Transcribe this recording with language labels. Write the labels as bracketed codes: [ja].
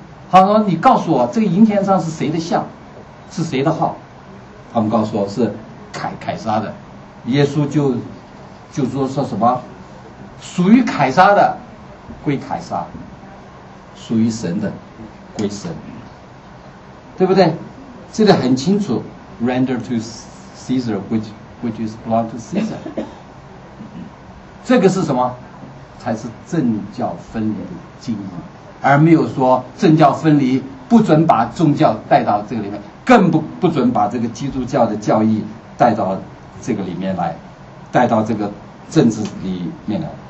[zh] 他说你告诉我这个银钱上是谁的像，是谁的号，他们告诉我是凯撒的。耶稣就说什么属于凯撒的归凯撒，属于神的归神，对不对？这个很清楚， [en] render to Caesar which is belong to Caesar。 [zh] 这个是什么？才是政教分离的精神，而没有说政教分离不准把宗教带到这个里面，更不准把这个基督教的教义带到这个里面来，带到这个政治里面来。